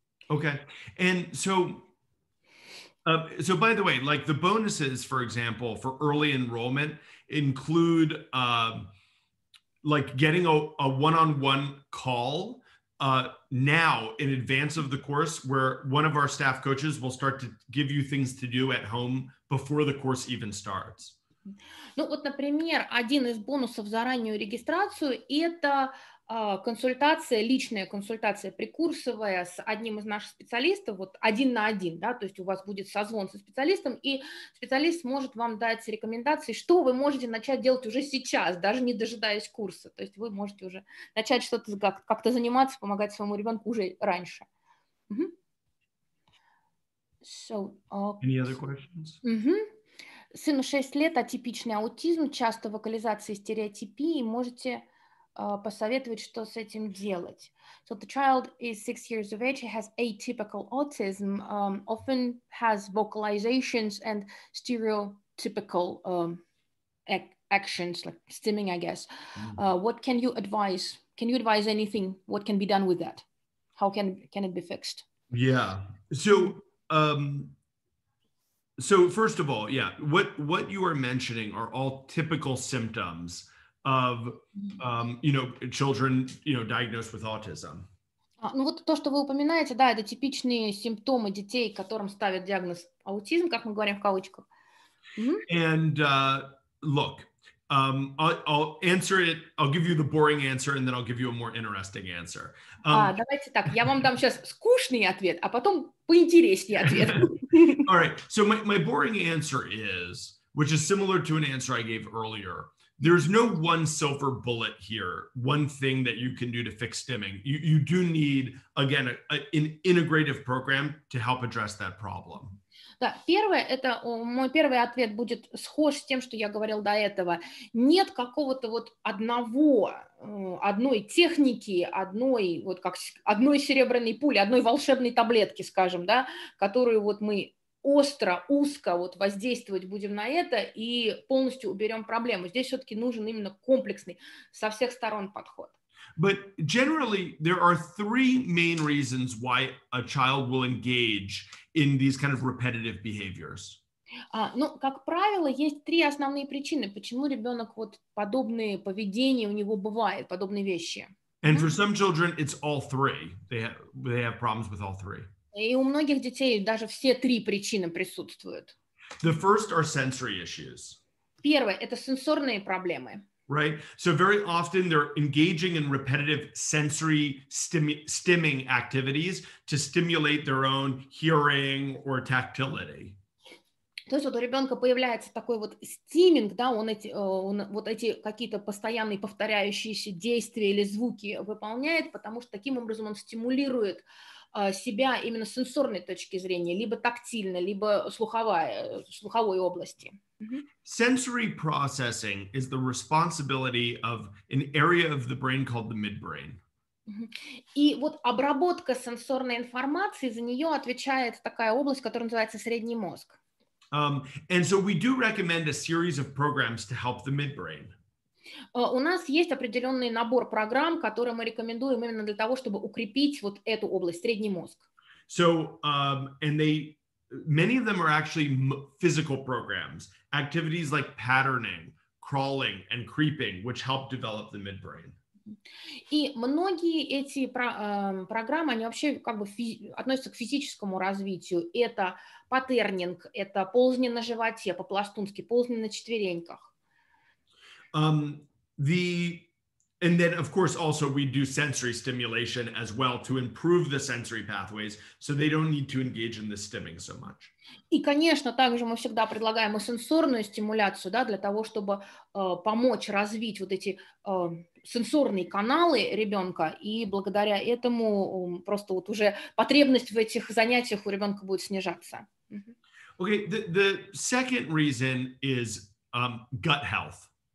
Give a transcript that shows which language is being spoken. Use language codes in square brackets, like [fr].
[en] Okay, and so, by the way, like the bonuses, for example, for early enrollment include like getting a one-on-one call now in advance of the course, where one of our staff coaches will start to give you things to do at home before the course even starts. [ru] Ну вот, например, один из бонусов за раннюю регистрацию – это консультация, личная консультация прикурсовая с одним из наших специалистов, вот один на один, да, то есть у вас будет созвон со специалистом, и специалист может вам дать рекомендации, что вы можете начать делать уже сейчас, даже не дожидаясь курса, то есть вы можете уже начать что-то как-то заниматься, помогать своему ребенку уже раньше. [en] Mm-hmm. So, any other questions? Mm-hmm. [ru] Сыну 6 лет, атипичный аутизм, часто вокализация и стереотипии, можете посоветовать, что с этим делать. [en] So the child is 6 years of age, he has atypical autism, often has vocalizations and stereotypical actions, like stimming, I guess. What can you advise? Can you advise anything? What can be done with that? How can it be fixed? Yeah. So, so first of all, yeah, what you are mentioning are all typical symptoms of, you know, children, you know, diagnosed with autism. [ru] Ну вот то, что вы упоминаете, да, это типичные симптомы детей, которым ставят диагноз аутизм, как мы говорим в кавычках. [en] And look, I'll answer it. I'll give you the boring answer, and then I'll give you a more interesting answer. [ru] Давайте так. Я вам дам сейчас скучный ответ, а потом поинтереснее ответ. [en] All right. So my boring answer is, which is similar to an answer I gave earlier. There's no one silver bullet here, one thing that you can do to fix stimming. You do need, again, an integrative program to help address that problem. [ru] Да, первое, это мой первый ответ будет схож с тем, что я говорил до этого. Нет какого-то вот одной техники, одной серебряной пули, одной волшебной таблетки, скажем, да, которую вот мы остро, узко вот воздействовать будем на это и полностью уберем проблему. Здесь все-таки нужен именно комплексный со всех сторон подход. [en] But generally, there are three main reasons why a child will engage in these kind of repetitive behaviors. [ru] Ну, как правило, есть три основные причины, почему ребенок вот подобные поведения у него бывает, подобные вещи. [en] And for some children, it's all three. They have problems with all three. [ru] И у многих детей даже все три причины присутствуют. [en] The first are sensory issues. [ru] Первое – это сенсорные проблемы. [en] Right? So very often they're engaging in repetitive sensory stimming activities to stimulate their own hearing or tactility. [ru] То есть вот у ребенка появляется такой вот стимминг, да, он эти какие-то постоянные повторяющиеся действия или звуки выполняет, потому что таким образом он стимулирует себя именно с сенсорной точки зрения, либо тактильно, либо слуховой области. [en] Sensory processing is the responsibility of an area of the brain called the midbrain. [ru] И вот обработка сенсорной информации, за нее отвечает такая область, которая называется средний мозг. [en] And so we do recommend a series of programs to help the midbrain. [ru] У нас есть определенный набор программ, которые мы рекомендуем именно для того, чтобы укрепить вот эту область, средний мозг. [en] So, and they, many of them are actually physical programs, activities like patterning, crawling, and creeping, which help develop the midbrain. [ru] И многие эти программы, они вообще как бы относятся к физическому развитию. Это паттернинг, это ползни на животе, по-пластунски, ползни на четвереньках. [en] And then, of course, also we do sensory stimulation as well to improve the sensory pathways, so they don't need to engage in the stimming so much. [ru] И, конечно, также мы всегда предлагаем и сенсорную стимуляцию, да, для того, чтобы помочь развить вот эти сенсорные каналы ребенка, и благодаря этому просто вот уже потребность в этих занятиях у ребенка будет снижаться. [en] Okay, the second reason is gut health.